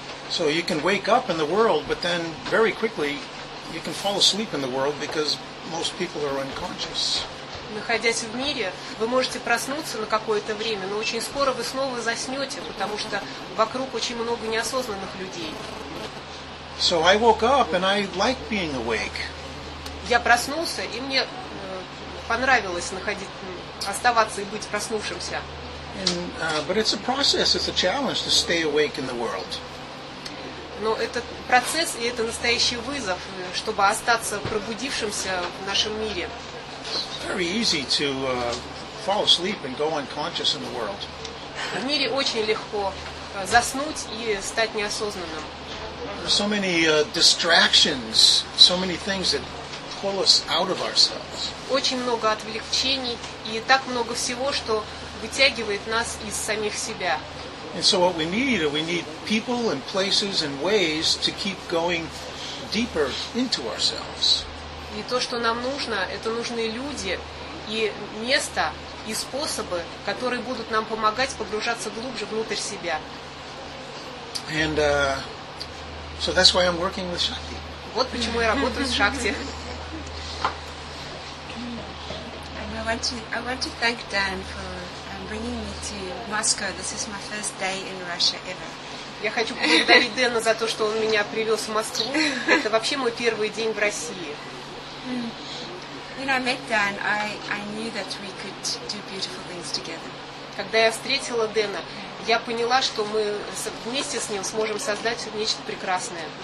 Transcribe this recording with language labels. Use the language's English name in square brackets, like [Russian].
[English] So you can wake up in the world, but then very quickly you can fall asleep in the world because most people are unconscious. [Russian] Находясь в мире, вы можете проснуться на какое-то время, но очень скоро вы снова заснете, потому что вокруг очень много неосознанных людей. [English] So I woke up and I like being awake. [Russian] Я проснулся, и мне понравилось оставаться и быть проснувшимся. [English] But it's a process, it's a challenge to stay awake in the world. [Russian] Но этот процесс и это настоящий вызов, чтобы остаться пробудившимся в нашем мире. [English] Very easy to fall asleep and go unconscious in the world. [Russian] В мире очень легко заснуть и стать неосознанным. [English] So many distractions, so many things that pull us out of ourselves. [Russian] Очень много отвлечений и так много всего, что вытягивает нас из самих себя. [English] And so what we need are we need people and places and ways to keep going deeper into ourselves. [Russian] И то, что нам нужно, это нужны люди и место и способы, которые будут нам помогать погружаться глубже внутрь себя. [English] And so that's why I'm working with Shakti. [Russian] Вот почему я работаю с Шакти. [English] I want to thank Dan for bringing me to Moscow. This is my first day in Russia ever. [Russian] Я хочу поблагодарить Дэна за то, что он меня привез в Москву. Это вообще мой первый день в России. [English] When I met Dan, I knew that we could do beautiful things together. [Russian] Когда я встретила Дэна, я поняла, что мы вместе с ним сможем создать нечто прекрасное.